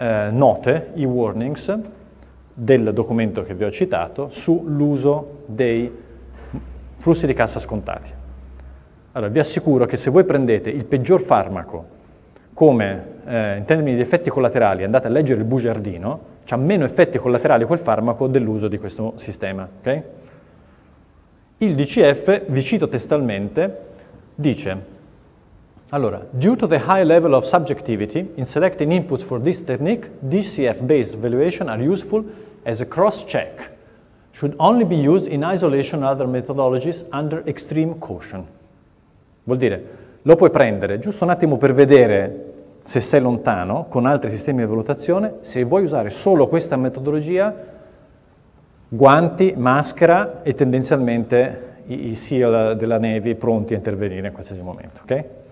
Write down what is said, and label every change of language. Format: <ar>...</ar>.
<it>note, i warnings del documento che vi ho citato sull'uso dei flussi di cassa scontati. Allora, vi assicuro che se voi prendete il peggior farmaco come, in termini di effetti collaterali, andate a leggere il bugiardino, c'ha meno effetti collaterali quel farmaco dell'uso di questo sistema, ok? Il DCF, vi cito testualmente, dice, allora,</it> <en>due to the high level of subjectivity in selecting inputs for this technique, DCF-based valuation are useful as a cross-check, should only be used in isolation and other methodologies under extreme caution.</en> <it>Vuol dire, lo puoi prendere giusto un attimo per vedere se sei lontano con altri sistemi di valutazione, se vuoi usare solo questa metodologia, guanti, maschera e tendenzialmente i SEAL della Navy pronti a intervenire in qualsiasi momento, ok?</it>